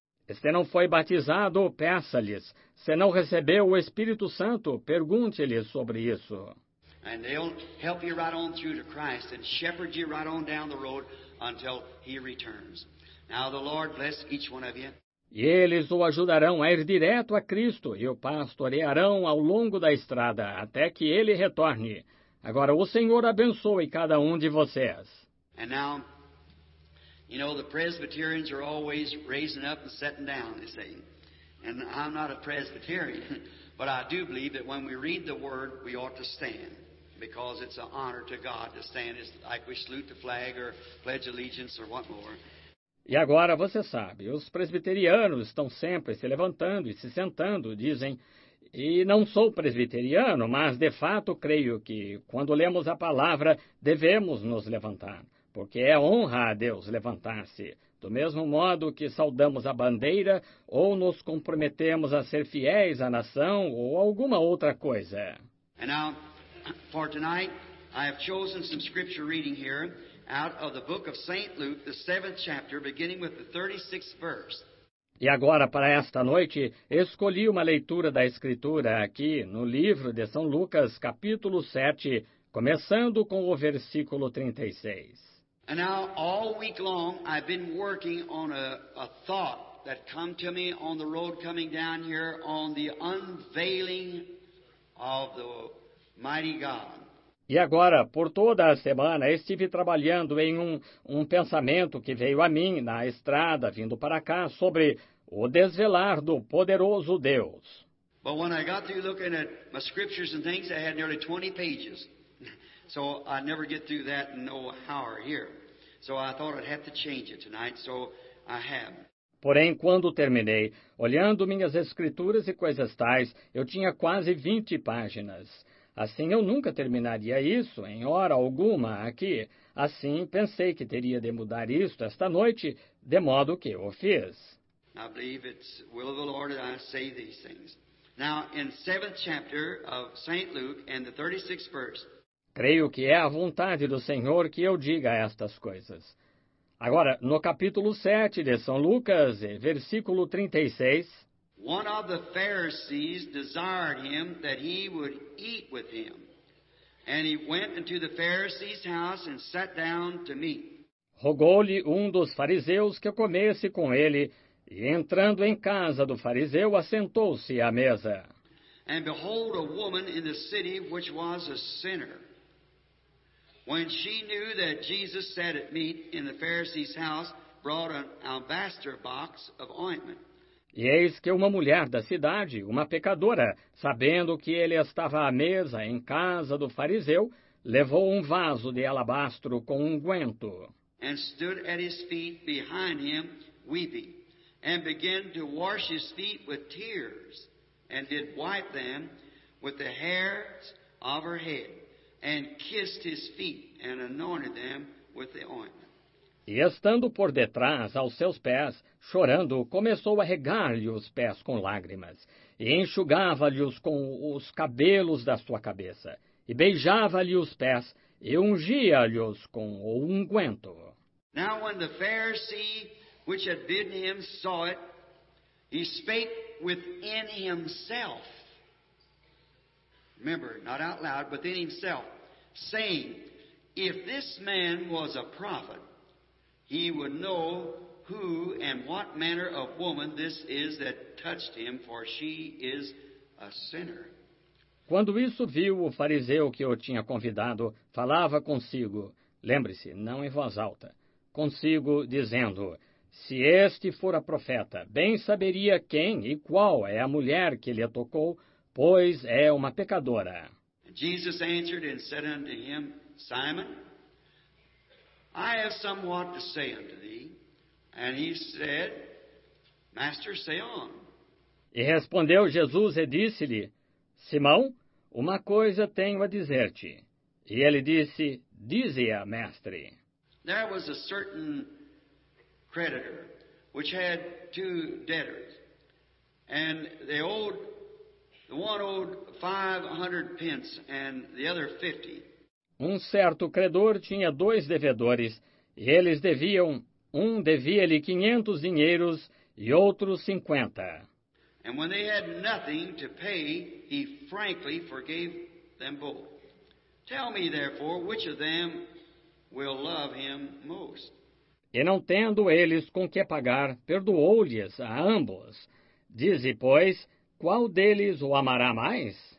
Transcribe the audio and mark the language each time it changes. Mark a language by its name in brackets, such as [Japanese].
[Portuguese] Se não foi batizado, peça-lhes. Se não recebeu o Espírito Santo, pergunte-lhes sobre isso. [English] And they'll help you right on through to Christ and shepherd you right on down the road until he returns. Now the Lord bless each one of you. [Portuguese] E eles o ajudarão a ir direto a Cristo e o pastorearão ao longo da estrada até que ele retorne. Agora o Senhor abençoe cada um de vocês. [English] And now, you know, the Presbyterians are always raising up and sitting down, they say. And I'm not a Presbyterian, but I do believe that when we read the word, we ought to stand. Because it's an honor to God to stand, it's like we salute the flag or pledge allegiance or what more. [Portuguese] E agora você sabe, os presbiterianos estão sempre se levantando e se sentando, dizem. E não sou presbiteriano, mas de fato creio que quando lemos a palavra, devemos nos levantar. Porque é honra a Deus levantar-se. Do mesmo modo que saudamos a bandeira ou nos comprometemos a ser fiéis à nação ou alguma outra coisa. [English] And now, for tonight, I have chosen some scripture reading here out of the book of St. Luke, the 7th chapter, beginning with the 36th verse. [Portuguese] E agora, para esta noite, escolhi uma leitura da Escritura aqui no livro de São Lucas, capítulo 7, começando com o versículo 36. [English] And now, all week long, I've been working on a thought that come to me on the road coming down here on the unveiling of the Mighty God. [Portuguese] E agora, por toda a semana, estive trabalhando em um pensamento que veio a mim na estrada, vindo para cá, sobre o desvelar do poderoso Deus. [English] But when I got through looking at my scriptures and things, I had nearly 20 pages. So I never get through that in no hour here. So I thought I'd have to change it tonight, so I have. [Portuguese] Porém, quando terminei, olhando minhas escrituras e coisas tais, eu tinha quase 20 páginas. Assim, eu nunca terminaria isso em hora alguma aqui. Assim, pensei que teria de mudar isto esta noite, de modo que o fiz. [English] I believe it's the will of the Lord that I say these things. Now, in the 7th chapter of St. Luke and the 36th verse. [Portuguese] Creio que é a vontade do Senhor que eu diga estas coisas. Agora, no capítulo 7 de São Lucas, versículo 36. [English] One of the Pharisees desired him that he would eat with him. And he went into the Pharisee's house and sat down to meat. [Portuguese] Rogou-lhe um dos fariseus que comesse com ele, e entrando em casa do fariseu, assentou-se à mesa. [English] And behold, a woman in the city which was a sinner. When she knew that Jesus sat at meat in the Pharisee's house, brought an alabaster box of ointment. [Portuguese] E eis que uma mulher da cidade, uma pecadora, sabendo que ele estava à mesa em casa do fariseu, levou um vaso de alabastro com unguento. [English] And stood at his feet behind him, weeping, and began to wash his feet with tears, and did wipe them with the hairs of her head, and kissed his feet, and anointed them with the ointment. [Portuguese] E estando por detrás, aos seus pés, chorando, começou a regar-lhe os pés com lágrimas, e enxugava-lhe-os com os cabelos da sua cabeça, e beijava-lhe os pés, e ungia-lhe-os com o unguento. [English] Now when the Pharisee, which had bidden him, saw it, he spake within himself, remember, not out loud, but within himself, saying, if this man was a prophet, he would know who and what manner of woman this is that touched him, for she is a sinner. [Portuguese] Quando isso viu o fariseu que o tinha convidado, falava consigo, lembre-se, não em voz alta, consigo dizendo, se este fora profeta, bem saberia quem e qual é a mulher que lhe tocou, pois é uma pecadora. [English] Jesus answered and said unto him, Simon, I have somewhat to say unto thee. And he said, Master, say on. [Portuguese] E respondeu Jesus e disse-lhe, Simão, uma coisa tenho a dizer-te. E ele disse, dize-a, mestre. [English] There was a certain creditor which had two debtors. And they owed, the one owed 500 pence and the other 50. [Portuguese] Um certo credor tinha dois devedores, e eles deviam, um devia-lhe 500 dinheiros e outro 50. [English] And when they had nothing to pay, he frankly forgave them both. Tell me, therefore, which of them will love him most? [Portuguese] E não tendo eles com que pagar, perdoou-lhes a ambos. Dize, pois, qual deles o amará mais?